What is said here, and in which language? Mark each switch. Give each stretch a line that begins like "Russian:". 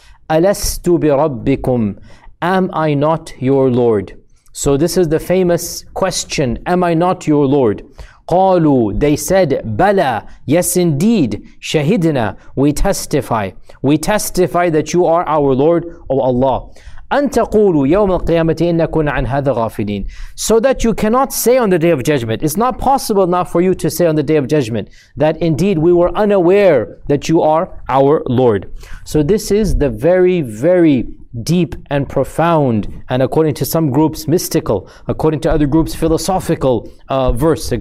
Arabic: أَلَسْتُ بِرَبِّكُمْ,
English: am I not your Lord? So this is the famous question, am I not your Lord?
Arabic: قَالُوا,
English: they said,
Arabic: بَلَىٰ,
English: yes indeed,
Arabic: شَهِدْنَا,
English: we testify that you are our Lord, O Allah.
Arabic: أن تقولوا يوم القيامة إنكن عن هذا غافلين.
English: So that you cannot say on the Day of Judgment. It's not possible now for you to say on the Day of Judgment that indeed we were unaware that you are our Lord. So this is the very, very deep and profound, and according to some groups, mystical, according to other groups, philosophical verse.